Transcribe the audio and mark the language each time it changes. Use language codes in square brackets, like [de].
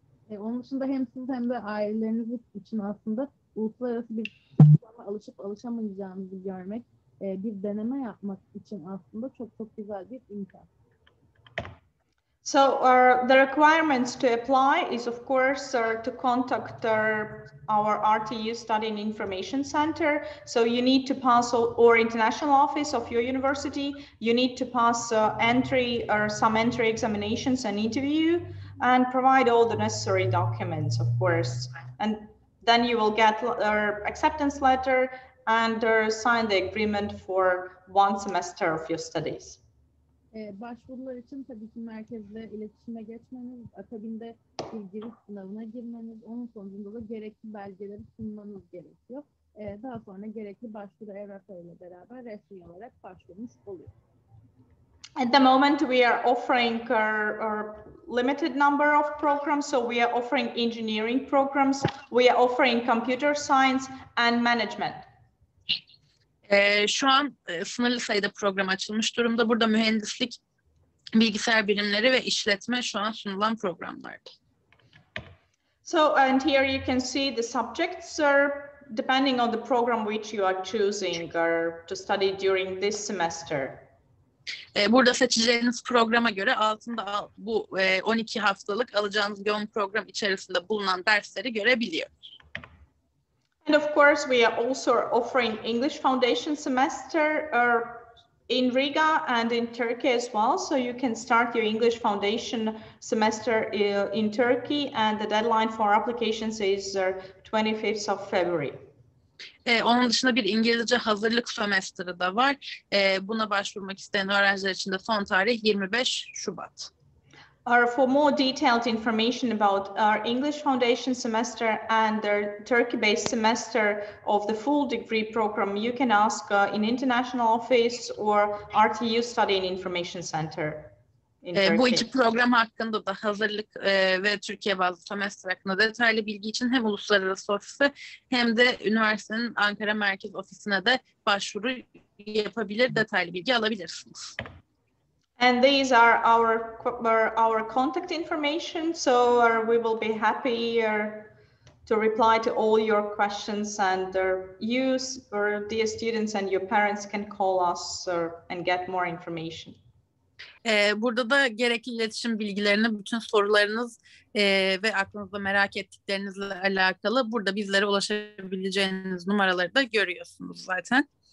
[tr] Onun için de hem siz hem de aileleriniz için aslında uluslararası bir alışıp alışamayacağınızı görmek, bir deneme yapmak için aslında çok çok güzel bir imkan. [en] So the requirements to apply is of course to contact our RTU Studying Information Center. So you need to pass or international office of your university. You need to pass entry or some entry examinations and interview, and provide all the necessary documents, of course. And then you will get our acceptance letter and sign the agreement for one semester of your studies. [tr] Başvurular için tabii ki merkezle iletişime geçmeniz, akabinde bir giriş sınavına girmeniz, onun sonucunda da gerekli belgeleri sunmanız gerekiyor. Daha sonra gerekli başvuru evraklarıyla beraber resmi olarak başvurmuş oluyor. [en] At the moment, we are offering a limited number of programs. So we are offering engineering programs, we are offering computer science and management. [tr] Şu an sınırlı sayıda program açılmış durumda. Burada mühendislik, bilgisayar bilimleri ve işletme şu an sunulan programlardı. [en] So and here you can see the subjects are depending on the program which you are choosing or to study during this semester. [tr] Burada seçeceğiniz programa göre altında bu 12 haftalık alacağınız yoğun program içerisinde bulunan dersleri görebiliyoruz. [en] And of course we are also offering English Foundation semester in Riga and in Turkey as well. So you can start your English Foundation semester in Turkey and the deadline for applications is 25th of February. [tr] Onun dışında bir İngilizce hazırlık semestri de var. Buna başvurmak isteyen öğrenciler için de son tarih 25 Şubat. [en] For more detailed information about our English Foundation semester and their Turkey-based semester of the full degree program, you can ask in international office or RTU Studying Information Center. [tr] Bu iki program hakkında da hazırlık ve Türkiye bazlı semestr hakkında detaylı bilgi için hem uluslararası ofisi hem de üniversitenin Ankara Merkez Ofisi'ne de başvuru yapabilir, detaylı bilgi alabilirsiniz. [en] And these are our contact information, so we will be happy to reply to all your questions and you, or dear students and your parents can call us and get more information. [tr] Burada da gerekli iletişim bilgilerini, bütün sorularınız ve aklınızda merak ettiklerinizle alakalı burada bizlere ulaşabileceğiniz numaraları da görüyorsunuz zaten.